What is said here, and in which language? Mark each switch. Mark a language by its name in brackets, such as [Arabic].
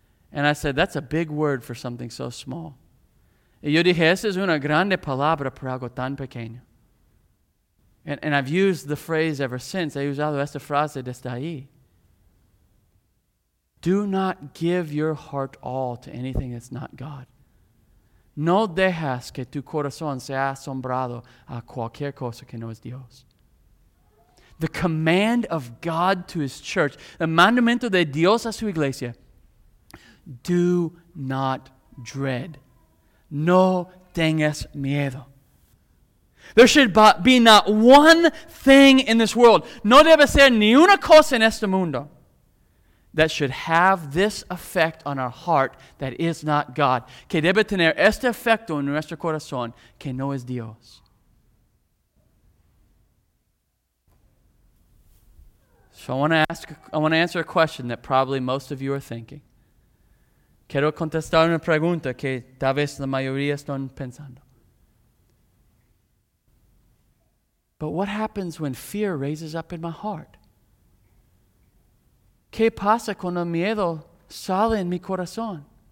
[English] And I said, that's a big word for something so small. [Spanish] Y yo dije, esa es una grande palabra para algo tan pequeño. [English] And I've used the phrase ever since. [Spanish] He usado esta frase desde ahí. [English] Do not give your heart all to anything that's not God. [Spanish] No dejas que tu corazón sea asombrado a cualquier cosa que no es Dios. [English] The command of God to his church, the [Spanish] mandamiento de Dios a su iglesia, [English] do not dread. [Spanish] No tengas miedo. [English] There should be not one thing in this world. [Spanish] No debe ser ni una cosa en este mundo [English] that should have this effect on our heart that is not God. [Spanish] Que debe tener este efecto en nuestro corazón que no es Dios. [English] So I want to answer a question that probably most of you are thinking. [Spanish] Quiero contestar una pregunta que tal vez la mayoría están pensando. [English] But what happens when fear raises up in my heart? [Spanish] ¿Qué pasa cuando miedo sale en mi corazón?